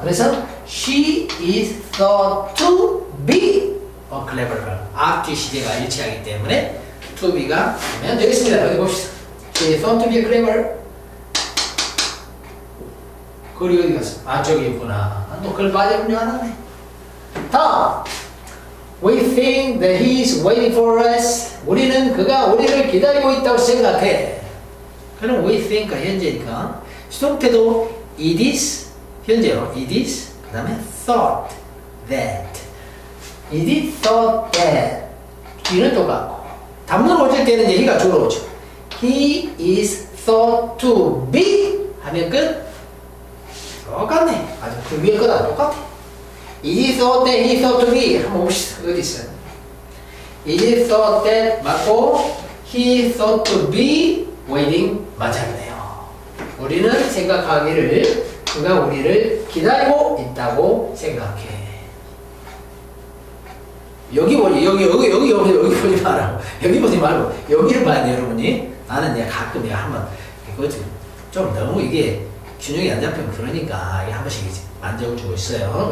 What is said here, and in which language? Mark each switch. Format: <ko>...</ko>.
<ko>그래서</ko> <en>she is thought to be a clever girl.</en> <ko>앞뒤 시제가 일치하기 때문에 to be가 되면 되겠습니다. 여기 봅시다.</ko> <en>she is thought to be a clever.</en> <ko>그리고 어디 갔어? 아, 저기 있구나. 아, 또 그걸 빠져버리려 안 하네. 다음.</ko> <en>we think that he is waiting for us.</en> <ko>우리는 그가 우리를 기다리고 있다고 생각해. 그럼</ko> <en>we think</en> <ko>현재니까 수동태도</ko> <en>it is</en> <ko>현재로</ko> <en>it is</en> <ko>그 다음에</ko> <en>thought that it is thought that</en> <ko>뒤는 똑같고 단문을 고칠 때는 얘기가 주로 오죠.</ko> <en>he is thought to be</en> <ko>하면 끝. 똑같네. 아주 그 위에 거다 똑같아.</ko> <en>it is thought that he thought to be</en> <ko>한번 봅시다. 어디 있어?</ko> <en>He thought that</en> <ko>맞고</ko> <en>he thought to be waiting</en> <ko>맞았네요. 우리는 생각하기를 그가 우리를 기다리고 있다고 생각해. 여기 보니 여기 보지 말고 여기 보지 말고 여기를 봐요 여러분이. 나는 내가 가끔 내가 한번 그거지 좀 너무 이게 균형이 안 잡히면 그러니까 이게 한 번씩 만져주고 있어요.</ko>